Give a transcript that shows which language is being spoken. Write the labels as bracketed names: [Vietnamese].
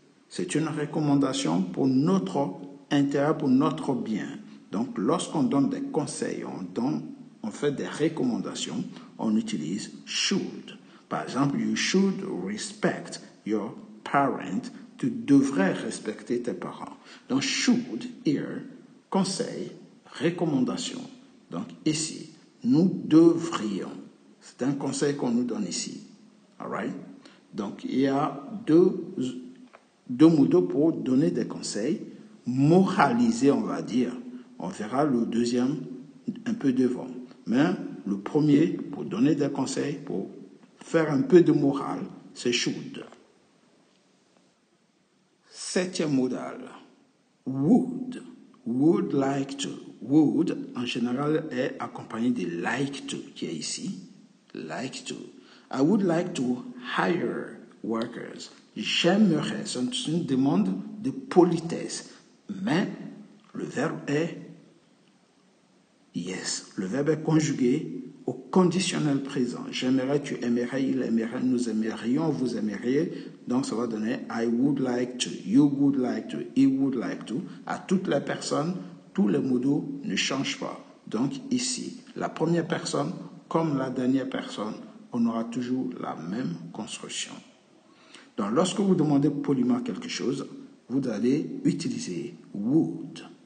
[French] C'est une recommandation pour notre intérêt, pour notre bien. Donc, lorsqu'on donne des conseils, on fait des recommandations, on utilise should. Par exemple, [English] you should respect your parents. [French] Tu devrais respecter tes parents. Donc, should here, conseil, recommandation. Donc, ici, nous devrions. C'est un conseil qu'on nous donne ici. [English] All right? [French] Donc, il y a deux modos pour donner des conseils. Moraliser, on va dire. On verra le deuxième un peu devant. Mais le premier, pour donner des conseils, pour faire un peu de morale, c'est should. Septième modal. [English] Would. Would like to. [French] Would, en général, est accompagné de like to, qui est ici. [English] Like to. I would like to hire workers. [French] J'aimerais, c'est une demande de politesse. Mais le verbe est yes. Le verbe est conjugué au conditionnel présent. J'aimerais, tu aimerais, il aimerait, nous aimerions, vous aimeriez. Donc ça va donner [English] I would like to, you would like to, he would like to. [French] À toutes les personnes, tous les modaux ne changent pas. Donc ici, la première personne comme la dernière personne, on aura toujours la même construction. Donc, lorsque vous demandez poliment quelque chose, vous allez utiliser would.